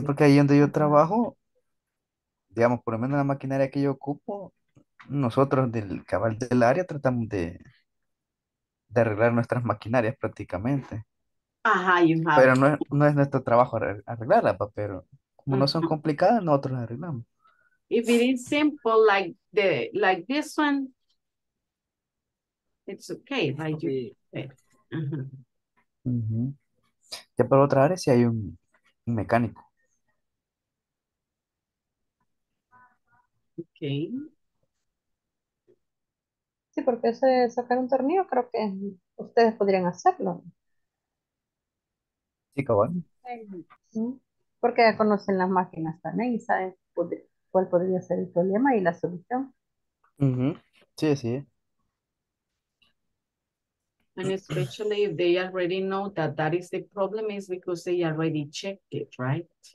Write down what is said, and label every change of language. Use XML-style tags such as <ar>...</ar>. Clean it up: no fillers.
<es>Porque ahí donde yo trabajo, digamos, por lo menos la maquinaria que yo ocupo, nosotros del cabal del área tratamos de arreglar nuestras maquinarias prácticamente. Ajá, pero no es nuestro trabajo arreglarlas, pero como no son complicadas, nosotros las arreglamos.</es> <en>If it is simple like the like this one, it's okay, right?</en> <es>Ya por otra área, si hay un mecánico.</es> <en>Okay.</en> <es>Sí, porque ese de sacar un tornillo creo que ustedes podrían hacerlo. Sí, cabrón. Sí. Porque ya conocen las máquinas también y saben cuál podría ser el problema y la solución. Sí, sí.</es> <en>And especially if they already know that that is the problem is because they already checked it, right?</en>